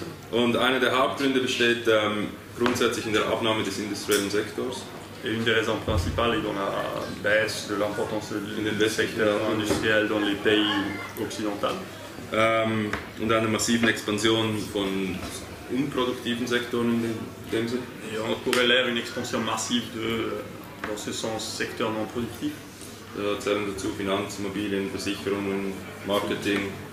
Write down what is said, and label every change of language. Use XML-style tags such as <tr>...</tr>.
<de>Und einer der Hauptgründe besteht grundsätzlich in der Abnahme des industriellen Sektors.</de> <fr>Et une des raisons principales est dans la baisse de l'importance du secteur industriel dans les pays occidentaux.</fr> <de>Und einer massiven Expansion von unproduktiven Sektoren in dem Sinn.</de> <fr>Et en corollaire une expansion massive de dans ce sens secteur non productif.</fr> <de>Da zählen dazu Finanz, Immobilien, Versicherungen, Marketing.</de>